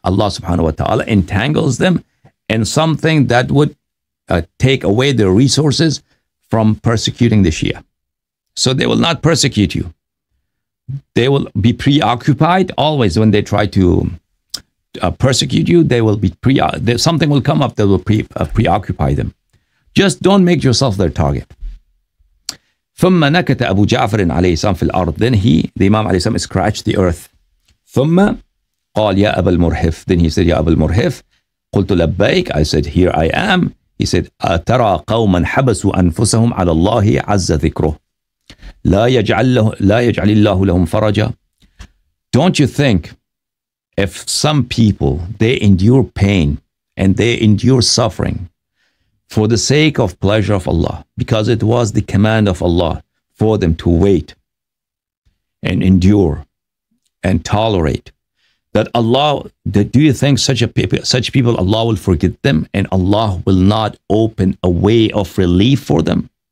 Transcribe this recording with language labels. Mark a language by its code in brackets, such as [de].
[en] Allah subhanahu wa ta'ala entangles them in something that would take away their resources from persecuting the Shia. So they will not persecute you. They will be preoccupied always when they try to persecute you. They will be something will come up that will preoccupy them. Just don't make yourself their target. [ar] ثم نكت أبو جعفر عليه السلام في الأرض. [en] Then he, the Imam عليه السلام, scratched the earth. [ar] ثم قال يا أبا المرحف. [en] Then he said, [ar] يا أبا المرحف. قلت لبيك. [en] I said, here I am. He said, [ar] أترى قوما حبسوا أنفسهم على الله عز ذكره. لا يجعل الله لهم فرجا. [en] Don't you think if some people, they endure pain and they endure suffering for the sake of pleasure of Allah, because it was the command of Allah for them to wait and endure and tolerate, that Allah, that do you think such people, Allah will forgive them and Allah will not open a way of relief for them?